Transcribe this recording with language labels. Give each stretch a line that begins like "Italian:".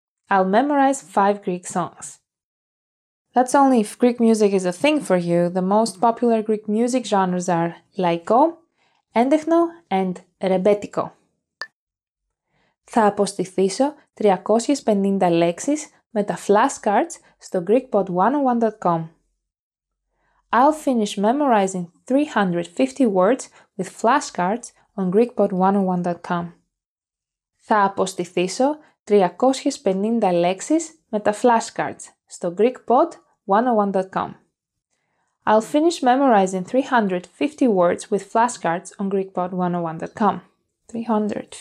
English: I'll memorize 5 Greek songs. That's only if Greek music is a thing for you. The most popular Greek music genres are laiko, έντεχνο and rebetiko.
Greek: Θα αποστηθήσω 350 λέξεις με τα flashcards στο GreekPod101.com.
English: I'll finish memorizing 350 words with flashcards on GreekPod101.com.
Greek: Θα αποστηθήσω 350 λέξεις με τα flashcards στο GreekPod101.com.
English: I'll finish memorizing 350 words with flashcards on GreekPod101.com. 350.